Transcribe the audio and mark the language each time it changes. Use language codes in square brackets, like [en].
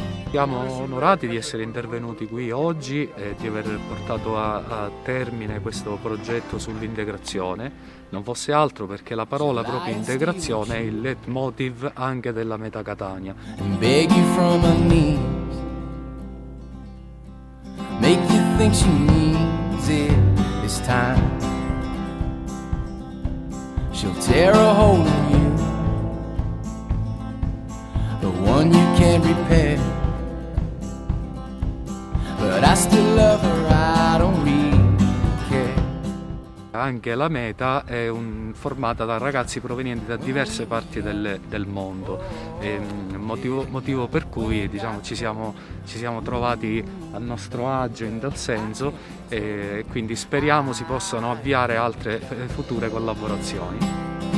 [it] Siamo onorati di essere intervenuti qui oggi e di aver portato a termine questo progetto sull'integrazione, non fosse altro perché la parola proprio integrazione è il leitmotiv anche della Meta Catania. [en] And beg you from my knees, make you think she needs it this time. She'll tear a hole in you, the one you can't repair. But I still love her, I don't really care. [it] Anche la Meta è formata da ragazzi provenienti da diverse parti del mondo, e motivo per cui diciamo, ci siamo trovati a nostro agio in tal senso, e quindi speriamo si possano avviare altre future collaborazioni.